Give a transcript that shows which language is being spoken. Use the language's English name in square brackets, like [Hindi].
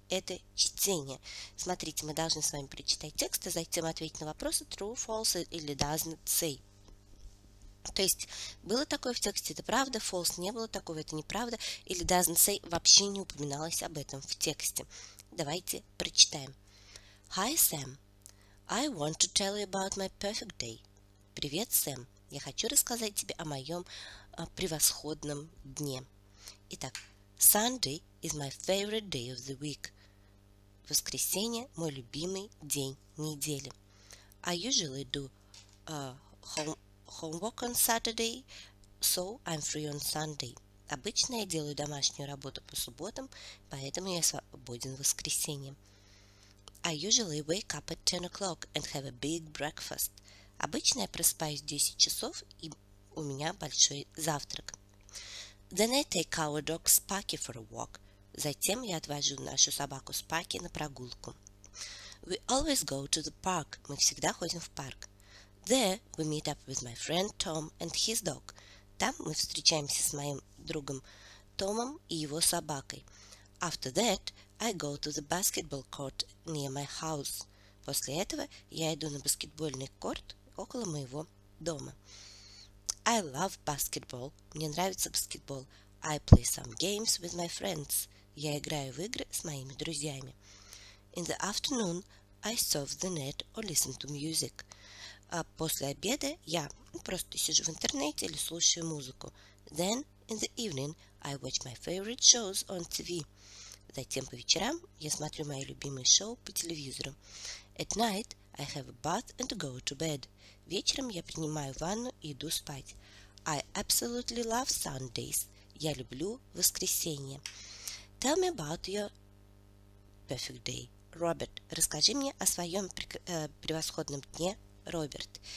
[Russian] Это чтение. Смотрите, мы должны с вами прочитать текст, а затем ответить на вопросы true, false или doesn't say. То есть, было такое в тексте, это правда, false, не было такого, это неправда, или doesn't say вообще не упоминалось об этом в тексте. Давайте прочитаем. [English] Hi, Sam. I want to tell you about my perfect day. [Russian] Привет, Сэм. Я хочу рассказать тебе о моем превосходном дне. [English] Итак, Sunday is my favorite day of the week. [Russian] Воскресенье – мой любимый день недели. [English] I usually do homework on Saturday, so I'm free on Sunday. [Russian] Обычно я делаю домашнюю работу по субботам, поэтому я свободен в воскресенье. [English] I usually wake up at 10 o'clock and have a big breakfast. [Russian] Обычно я просыпаюсь в 10 часов, и у меня большой завтрак. [English] Then I take our dog Sparky for a walk. [Russian] Затем я отвожу нашу собаку Sparky на прогулку. [English] We always go to the park. [Russian] Мы всегда ходим в парк. [English] There we meet up with my friend Tom and his dog. [Russian] Там мы встречаемся с моим другом Томом и его собакой. [English] After that, I go to the basketball court near my house. [Russian] После этого я иду на баскетбольный корт около моего дома. [English] I love basketball. [Russian] Мне нравится баскетбол. [English] I play some games with my friends. [Russian] Я играю в игры с моими друзьями. [English] In the afternoon, I surf the net or listen to music. [Russian] А после обеда я просто сижу в интернете или слушаю музыку. [English] Then, in the evening, I watch my favorite shows on TV. [Russian] Затем по вечерам я смотрю мои любимые шоу по телевизору. [English] At night, I have a bath and go to bed. [Russian] Вечером я принимаю ванну и иду спать. [English] I absolutely love Sundays. [Russian] Я люблю воскресенье. [English] Tell me about your perfect day, Robert. [Russian] Расскажи мне о своем превосходном дне, Роберт.